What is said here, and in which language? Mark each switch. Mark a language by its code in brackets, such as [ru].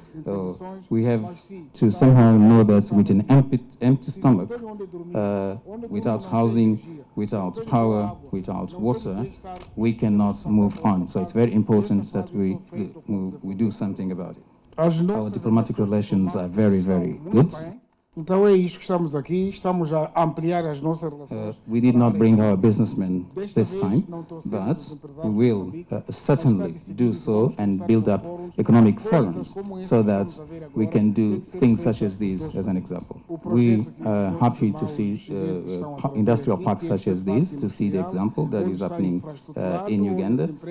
[en] Or we have to somehow know that with an empty stomach, without housing, without power, without water, we cannot move on. So it's very important that we do something about it. Our diplomatic relations are very, very good. [pt] Então é isto que estamos aqui, estamos a ampliar as nossas relações. [en] We did not bring our businessmen this time, but we will certainly do so and build up economic forums so that we can do things such as these as an example. We are happy to see industrial parks such as these, to see the example that is happening in Uganda.